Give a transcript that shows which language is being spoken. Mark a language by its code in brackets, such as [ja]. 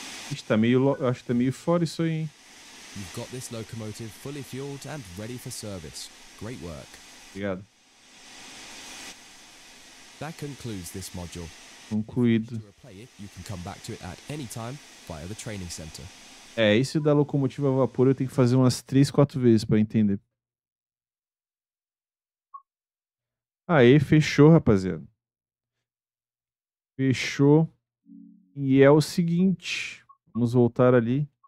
[pt] Está meio, acho que tá meio fora isso aí, hein? [en] You've got this locomotive fully fueled and ready for service. Great work. [pt] Obrigado. [en] That concludes this module. [pt] Concluído. [en] You can come back to it at any time via the training center. [pt] É, isso da locomotiva a vapor eu tenho que fazer umas 3, 4 vezes para entender. Aí, fechou, rapaziada. Fechou. E é o seguinte, vamos voltar ali.